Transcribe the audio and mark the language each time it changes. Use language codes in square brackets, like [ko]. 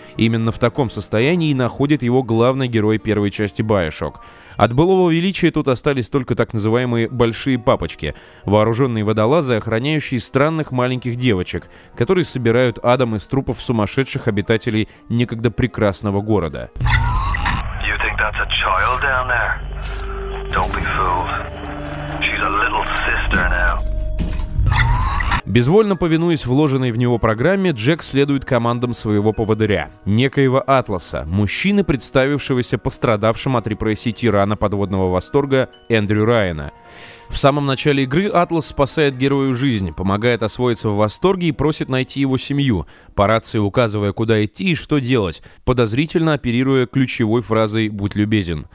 [ru] Именно в таком состоянии и находит его главный герой первой части BioShock. От былого величия тут остались только так называемые «большие папочки» — вооруженные водолазы, охраняющие странных маленьких девочек, которые собирают Адам из трупов сумасшедших обитателей некогда прекрасного города. [en] That's a child down there. Don't be fooled. She's a little sister now. [ru] Безвольно повинуясь вложенной в него программе, Джек следует командам своего поводыря, некоего Атласа, мужчины, представившегося пострадавшим от репрессий тирана подводного Восторга Эндрю Райана. В самом начале игры Атлас спасает герою жизнь, помогает освоиться в восторге и просит найти его семью, по рации указывая, куда идти и что делать, подозрительно оперируя ключевой фразой «Будь любезен».